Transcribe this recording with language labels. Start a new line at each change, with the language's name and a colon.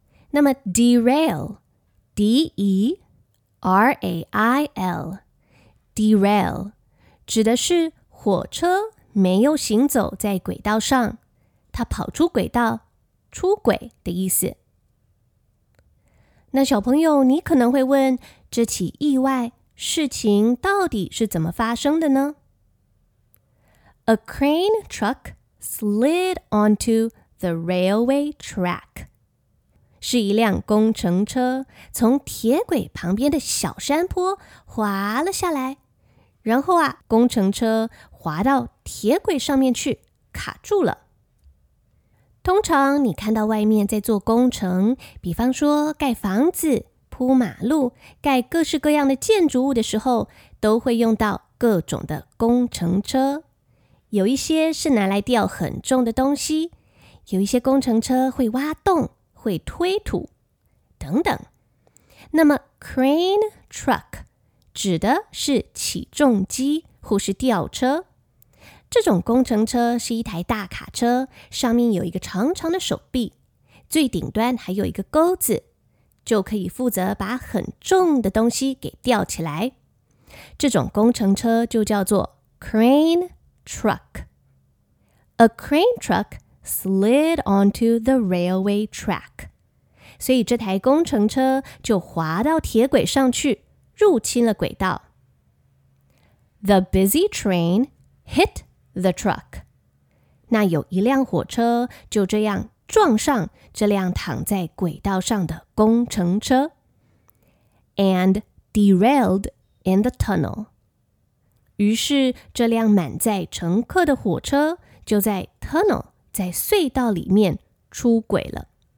Chinese: 那么 derail D-E-R-A-I-L derail指的是火车没有行走在轨道上，它跑出轨道，出轨的意思。那小朋友，你可能会问，这起意外事情到底是怎么发生的呢？
English: A crane truck slid onto the railway track.
Chinese: 是一辆工程车从铁轨旁边的小山坡滑了下来，然后啊，工程车滑到铁轨上面去，卡住了。通常你看到外面在做工程，比方说盖房子、铺马路、盖各式各样的建筑物的时候，都会用到各种的工程车。有一些是拿来吊很重的东西，有一些工程车会挖洞、会推土等等。那么 crane truck 指的是起重机或是吊车。这种工程车是一台大卡车，上面有一个长长的手臂，最顶端还有一个钩子，就可以负责把很重的东西给吊起来。这种工程车就叫做 crane truck。
English: A crane truck slid onto the railway track.
Chinese: 所以这台工程车就滑到铁轨上去，入侵了轨道。
English: The busy train hit the truck.
Chinese: 那有一辆火车就这样撞上这辆躺在轨道上的工程车。
English: And derailed in the tunnel.
Chinese: 于是这辆满载乘客的火车就在 tunnel, 在隧道里面出轨了。